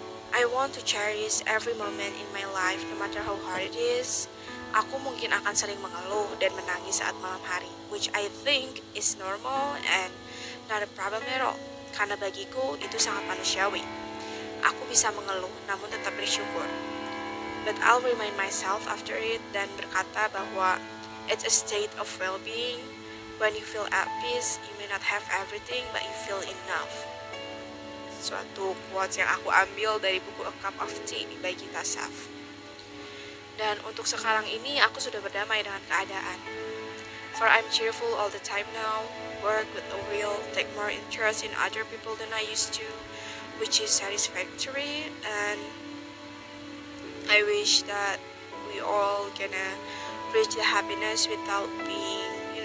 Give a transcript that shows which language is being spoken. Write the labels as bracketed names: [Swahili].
[English] I want to cherish every moment in my life, no matter how hard it is. [Indonesian] Aku mungkin akan sering mengeluh dan menangis saat malam hari, [English] which I think is normal and not a problem at all. [Indonesian] karena bagiku itu sangat manusiawi. Aku bisa mengeluh, namun tetap bersyukur. [English] But I'll remind myself after it [Indonesian] dan berkata bahwa [English] it's a state of well-being. When you feel at peace, you may not have everything, but you feel enough. [Indonesian] Suatu quotes yang aku ambil dari buku A Cup of Tea by Gita Saf. Dan untuk sekarang ini, aku sudah berdamai dengan keadaan. [English] For I'm cheerful all the time now, work with a will, take more interest in other people than I used to, which is satisfactory, and I wish that we all gonna reach the happiness without being